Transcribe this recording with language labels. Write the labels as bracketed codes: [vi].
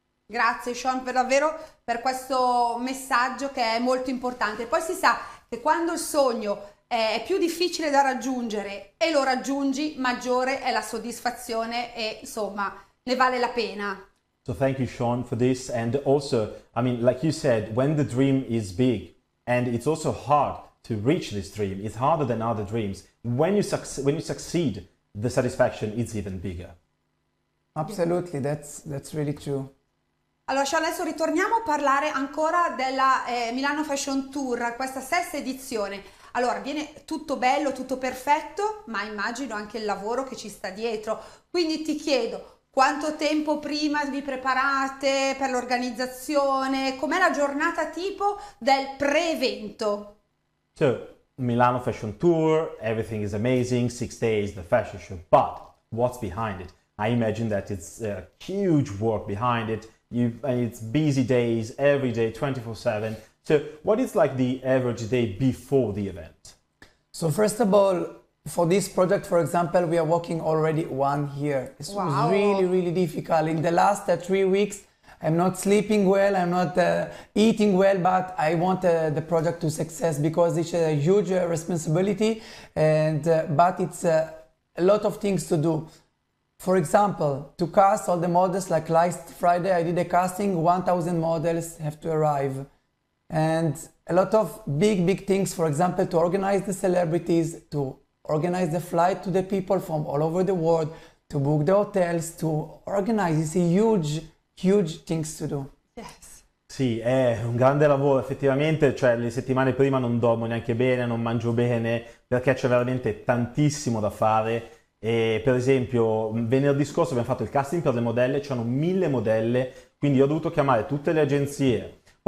[it] Grazie Sean per davvero per questo messaggio che è molto importante. Poi si sa che quando il sogno è più difficile da raggiungere e lo raggiungi, maggiore è la soddisfazione e insomma ne vale la pena. [en] So thank you, Sean, for this. And also, I mean, like you said, when the dream is big, and it's also hard to reach this dream, it's harder than other dreams. When you succeed, the satisfaction is even bigger. Absolutely, that's really true. Allora, Sean, adesso ritorniamo a parlare ancora della Milano Fashion Tour, questa sesta edizione. Allora, viene tutto bello, tutto perfetto, ma immagino anche il lavoro che ci sta dietro. Quindi ti chiedo, quanto tempo prima vi preparate per l'organizzazione? Com'è la giornata tipo del pre-evento? So, Milano Fashion Tour, everything is amazing, 6 days, the fashion show, but what's behind it? I imagine that it's a huge work behind it, and it's busy days, every day, 24/7. So, what is like the average day before the event? So first of all, for this project, for example, we are working already 1 year. It was really, Wow. really difficult. In the last 3 weeks, I'm not sleeping well, I'm not eating well, but I want the project to success because it's a huge responsibility, but it's a lot of things to do. For example, to cast all the models, like last Friday, I did a casting, 1,000 models have to arrive. And a lot of big things, for example, to organize the celebrities, to organize the flight to the people from all over the world, to book the hotels, to organize. It's a huge things to do. [it] Sì, è un grande lavoro effettivamente, cioè le settimane prima non dormo neanche bene, non mangio bene, perché c'è veramente tantissimo da fare. E per esempio, venerdì scorso abbiamo fatto il casting per le modelle, c'erano 1.000 modelle, quindi ho dovuto chiamare tutte le agenzie. Poi